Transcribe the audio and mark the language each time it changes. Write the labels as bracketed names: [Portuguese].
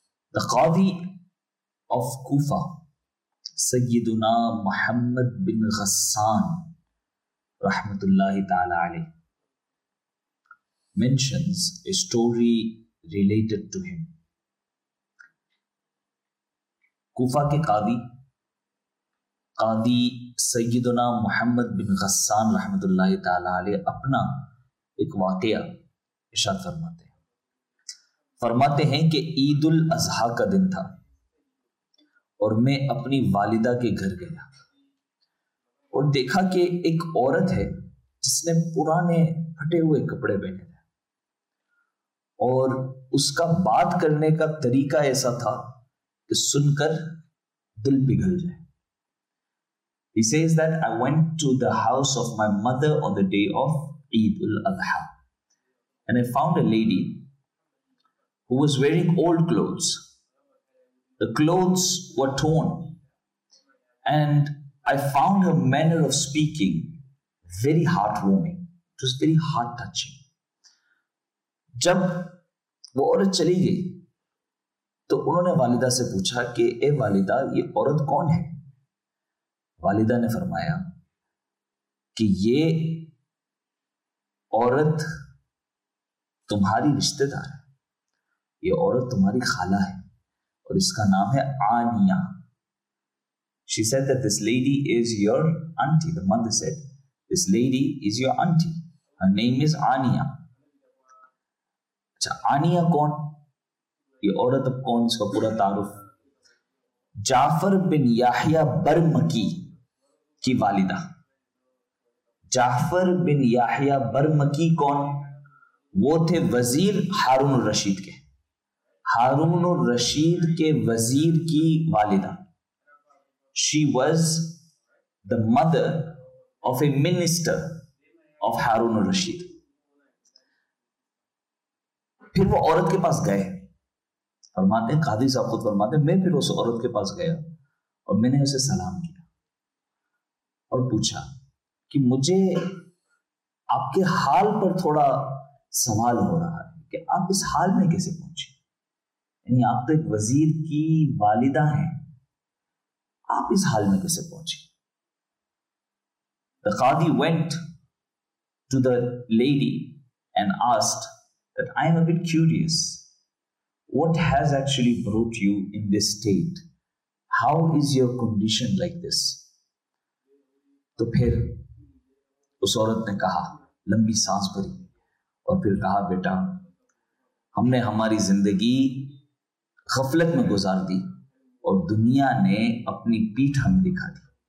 [English] The Qadi of Kufa, Sayyiduna Muhammad bin Ghassan rahmatullahi ta'ala alayhi, mentions a story related to him. [Urdu] Kufa ke Qadi سیدنا محمد بن غسان رحمت اللہ تعالیٰ علیہ اپنا ایک واقعہ ارشاد فرماتے ہیں. فرماتے ہیں کہ عید الاضحیٰ کا دن تھا اور میں اپنی والدہ کے گھر گیا اور دیکھا کہ ایک عورت ہے جس نے پرانے پھٹے ہوئے کپڑے پہنے تھے اور اس کا بات کرنے کا طریقہ ایسا تھا کہ سن کر دل پگھل جائے. [English] He says that I went to the house of my mother on the day of Eid al-Adha and I found a lady who was wearing old clothes. The clothes were torn and I found her manner of speaking very heartwarming. It was very heart touching. [Urdu] Jab wo aurat chali gayi to unhone walida se pucha ke ae walida ye aurat kaun hai. والدہ نے فرمایا کہ یہ عورت تمہاری رشتہ دار ہے, یہ عورت تمہاری خالہ ہے اور اس کا نام ہے آنیا. [English] She said that this lady is your auntie. The mother said, this lady is your auntie. Her name is Aaniya. [Urdu] اچھا آنیا کون, یہ عورت اب کون, اس کا پورا تعارف. جعفر بن یحییٰ برمکی کی والدہ. جعفر بن یحییٰ برمکی کون, وہ تھے وزیر ہارون الرشید کے, ہارون الرشید کے وزیر کی والدہ. [English] She was the mother of a minister of Harun al Rashid. [Urdu] پھر وہ عورت کے پاس گئے, فرماتے ہیں قاضی صاحب خود فرماتے ہیں, میں پھر اس عورت کے پاس گیا اور میں نے اسے سلام کیا اور پوچھا کہ مجھے آپ کے حال پر تھوڑا سوال ہو رہا ہے کہ آپ اس حال میں کیسے پہنچے, یعنی آپ تو ایک وزیر کی والدہ ہیں, آپ اس حال میں کیسے پہنچے. [English] The Qadi went to the lady and asked that I am a bit curious, what has actually brought you in this state, how is your condition like this. [Urdu] تو پھر اس عورت نے کہا, لمبی سانس بھری اور پھر کہا, بیٹا ہم نے ہماری زندگی غفلت میں گزار دی اور دنیا نے اپنی پیٹھ ہمیں دکھا دی.